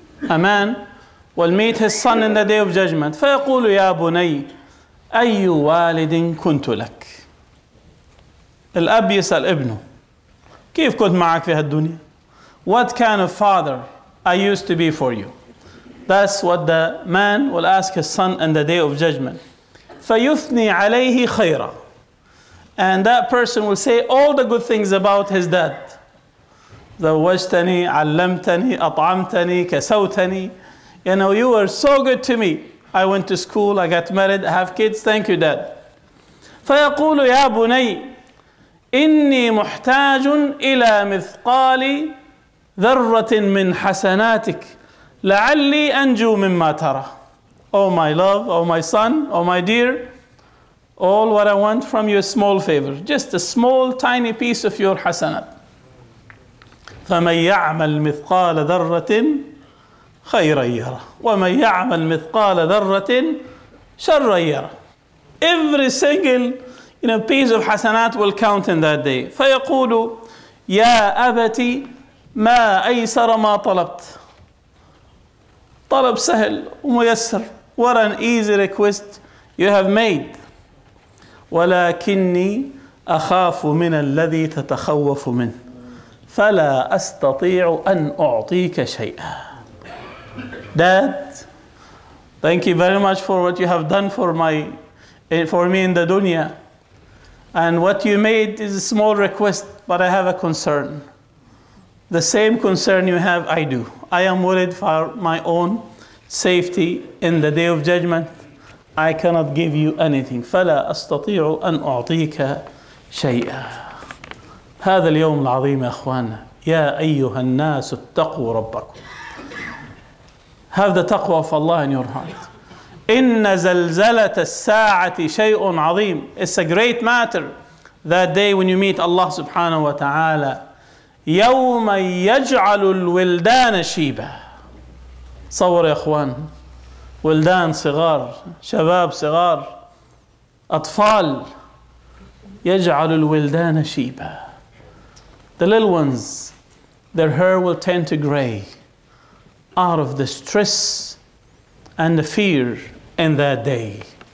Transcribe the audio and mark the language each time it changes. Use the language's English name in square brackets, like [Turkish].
[English] A man will meet his son in the day of judgment. [Arabic] فيقول يا بني أي والد كنت لك؟ الأب يسأل ابنه كيف كنت معك في هالدنيا؟ [English] What kind of father I used to be for you? That's what the man will ask his son in the day of judgment. [Arabic] فيثني عليه خيرا. [English] And that person will say all the good things about his dad. [Arabic] زوجتني، علمتني، أطعمتني، كسوتني. [English] You know, you were so good to me. I went to school, I got married, I have kids. Thank you, dad. [Arabic] فيقول يا بني إني محتاج إلى مثقال ذرة من حسناتك لعلي أنجو مما ترى. [English] Oh my love, oh my son, oh my dear, all what I want from you is small favor, just a small tiny piece of your hasanat. [Arabic] فمن يعمل مثقال ذرة خيرا يرى ومن يعمل مثقال ذرة شرا يرى. [English] Every single, you know, piece of hasanat will count in that day. [Arabic] فيقول يا أبتي ما أيسر ما طلبت. طلب سهل وميسر. [English] What an easy request you have made. [Arabic] ولكني أخاف من الذي تتخوف منه فلا أستطيع أن أعطيك شيئا. [English] Dad, thank you very much for what you have done for me in the dunya. And what you made is a small request, but I have a concern. The same concern you have, I do. I am worried for my own safety in the day of judgment. I cannot give you anything. [Arabic] فلا أستطيع أن أعطيك شيئا. هذا اليوم العظيم يا أخوانا، يا أيها الناس اتقوا ربكم. هذا تقوى في الله أن يرهد. إن زلزلة الساعة شيء عظيم. [English] It's a great matter that day when you meet Allah [Arabic] سبحانه وتعالى. يوم يجعل الولدان شيبا. صور يا أخوان، ولدان صغار، شباب صغار، أطفال. يجعل الولدان شيبا. [English] The little ones, their hair will turn to gray out of the stress and the fear in that day.